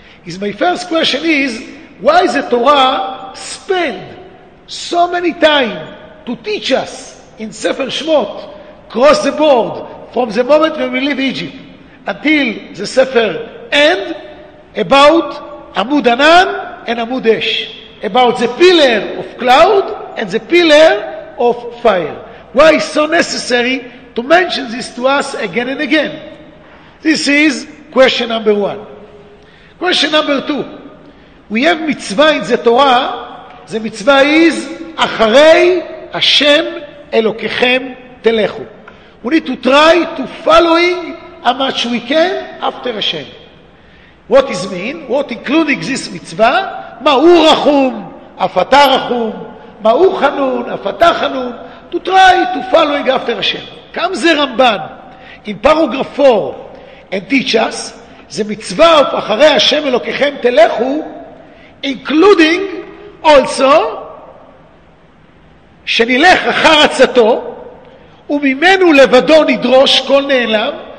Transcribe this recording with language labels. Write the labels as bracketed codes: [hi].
[en] Is my first question is, why is the Torah spend so many time to teach us in Sefer Shmot, cross the board from the moment when we leave Egypt until the Sefer end, about Amud Anan and Amud Esh, about the pillar of cloud and the pillar of fire? Why is so necessary to mention this to us again and again? This is question number one. Question number two. We have mitzvah in the Torah. The mitzvah is [he] אחרי השם אלוקיכם תלכו. [en] We need to try to following how much we can after Hashem. What is mean? What including this mitzvah? [he] מהו רחום, אף אתה רחום. מהו חנון, אף אתה חנון. [en] To try to following after Hashem. Comes the Ramban in paragraph 4 and teach us the mitzvah of [he] אחרי השם אלוקיכם תלכו, [en] including also [he] שנלך אחר עצתו וממנו לבדו נדרוש כל נעלם.